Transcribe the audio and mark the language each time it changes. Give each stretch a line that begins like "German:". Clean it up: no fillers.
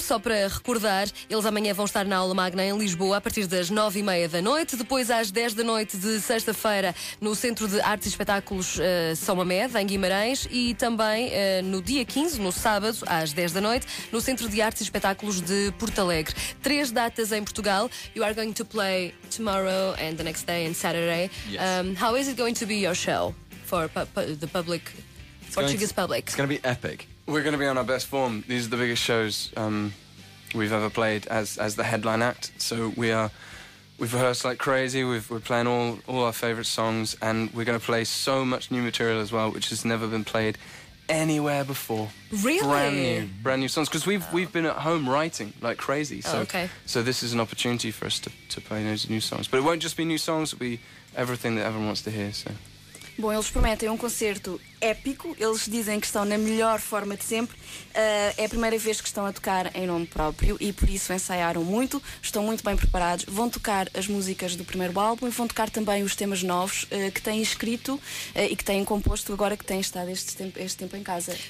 Portuguese: Só para recordar, eles amanhã vão estar na Aula Magna em Lisboa a partir das 9h30 da noite. Depois, às 10 da noite de sexta-feira, no Centro de Artes e Espetáculos São Mamé, em Guimarães. E também no dia 15, no sábado, às 10 da noite, no Centro de Artes e Espetáculos de Porto Alegre. 3 datas em Portugal.
English: You are going to play tomorrow and the next day and Saturday. Yes. How is it going to be your show for the public? Public. It's going to be epic. We're going to be on our best form. These are the biggest shows we've ever played as the headline act. So we've rehearsed like crazy. We're playing all our favorite songs, and we're going to play so much new material as well, which has never been played anywhere before. Really? Brand new songs, because we've been at home writing like crazy. So So this is an opportunity for us to play those new songs. But it won't just be new songs. It'll be everything that everyone wants to hear. So.
Portuguese: Bom, eles prometem um concerto épico. Eles dizem que estão na melhor forma de sempre. É a primeira vez que estão a tocar em nome próprio e por isso ensaiaram muito. Estão muito bem preparados. Vão tocar as músicas do primeiro álbum e vão tocar também os temas novos que têm escrito e que têm composto agora que têm estado este tempo em casa.